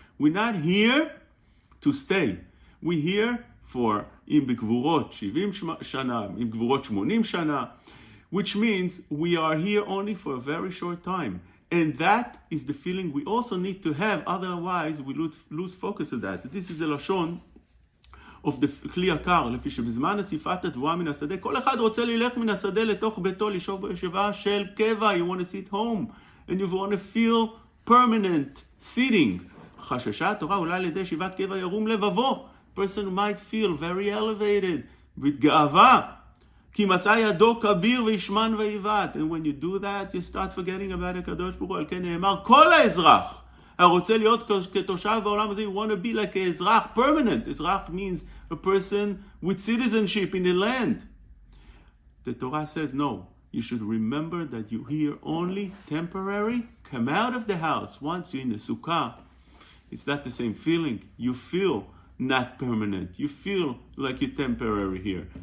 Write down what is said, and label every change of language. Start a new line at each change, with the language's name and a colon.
English: We're not here to stay. We're here for
Hebrew: im gvurot 70 shana, im gvurot 80 shana,
English: which means we are here only for a very short time. And that is the feeling we also need to have, otherwise we lose focus of that. This is the Lashon of the Kli Yakar,
Hebrew: לפי שבזמן אסיפת התבואה מן השדה, כל אחד רוצה ללך מן השדה לתוך ביתו, לשוב בישיבה של קבע,
English: you want to sit home, and you want to feel permanent sitting.
Hebrew: חששה התורה אולי לידי שיבת קבע ירום לבבו,
English: person might feel very elevated, with
Hebrew: גאווה, כי מצא ידו כביר וישמן ואיבת.
English: And when you do that, you start forgetting about
Hebrew: הקדוש ברוך הוא, על כן נאמר, כל האזרח, הרוצה להיות כתושב בעולם הזה,
English: you want to be like a אזרח, permanent. אזרח means a person with citizenship in the land. The Torah says, no, you should remember that you're here only temporary. Come out of the house. Once you're in the sukkah, it's not the same feeling. You feel not permanent. You feel like you're temporary here.